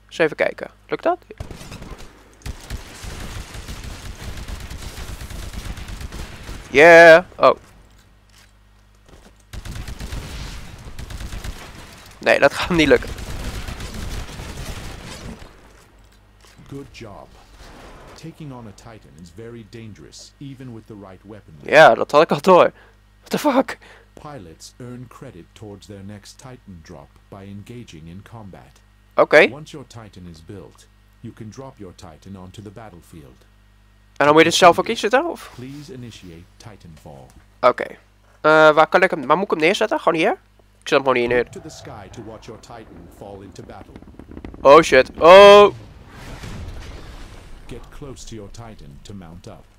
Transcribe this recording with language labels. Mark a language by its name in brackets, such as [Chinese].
[Dutch] Eens even kijken. Lukt dat? [English] Yeah. Oh. [Dutch] Nee, dat gaat niet lukken. [English] Good job. Taking on a titan is very dangerous, even with the right weapon. [Dutch] Ja, dat had ik al door. [English] What the fuck? Pilots earn credit towards their next Titan drop by engaging in combat. Okay. Once your Titan is built, you can drop your Titan onto the battlefield. [Dutch] En dan moet je dus zelf ook inzetten, of? [English] Please initiate Titanfall. Okay. [Dutch] Waar kan ik hem? Waar moet ik hem neerzetten? Gewoon hier? Ik zet hem gewoon hier neer. [English] To the sky to watch your Titan fall into battle. Oh shit. Oh. Get close to your Titan to mount up.